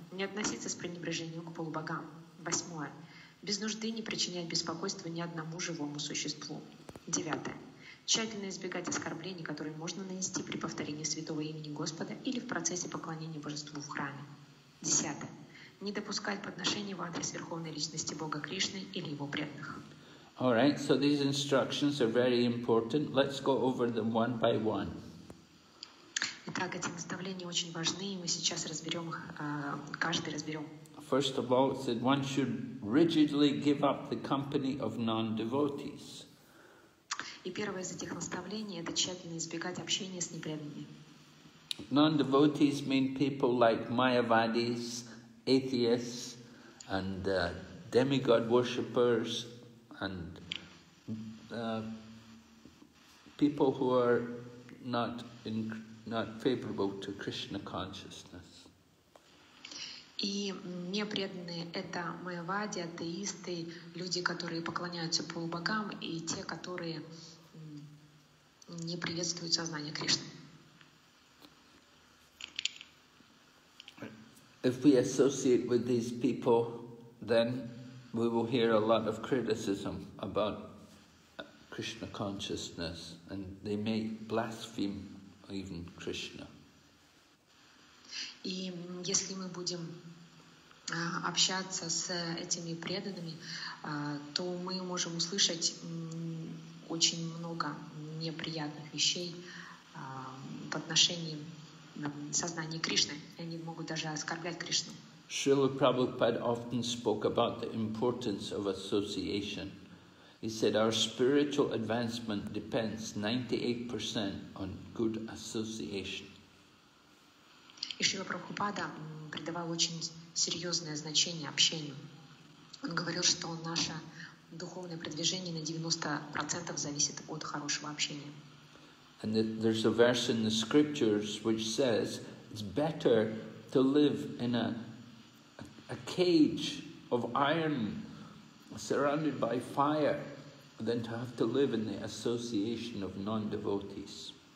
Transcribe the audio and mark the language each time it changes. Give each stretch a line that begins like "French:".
Russian: Не относиться с пренебрежением к полубогам. Восьмое. Без нужды не причинять беспокойства ни одному живому существу. Девятое. Тщательно избегать оскорблений, которые можно нанести при повторении святого имени Господа или в процессе поклонения Божеству в храме. Десятое. Не допускать подношений в адрес Верховной Личности Бога Кришны или Его преданных.
English: All right, so these instructions are very important. Let's go over them one by one.
Russian: Итак, эти наставления очень важны, и мы сейчас разберем их, каждый разберем.
English: First of all, it said one should rigidly give up the company of non-devotees.
Russian: И первое из этих наставлений – это тщательно избегать общения с непреданными.
English: Non-devotees mean people like Mayavadis, atheists, and demigod worshippers. And people who are not favorable to Krishna consciousness.
Russian: И непреданные — это майявади, атеисты, люди, которые поклоняются полубогам, и те, которые не приветствуют сознание Кришны.
English: If we associate with these people, then we will hear a lot of criticism about Krishna consciousness, and they may blaspheme even Krishna.
Russian: И если мы будем общаться с этими преданными, то мы можем услышать очень много неприятных вещей в отношении сознания Кришны. Они могут даже оскорблять Кришну.
English: Шрила Прабхупада often spoke about the importance of association. He said, our spiritual advancement depends 98% on good association.
Russian: И Шрила Прабхупада придавал очень серьезное значение общению. Он говорил, что наше духовное продвижение на 90% зависит от хорошего общения.
English: And there's a verse in the scriptures which says it's better to live in a cage of iron surrounded by fire than to have to live in the association of non-devotees.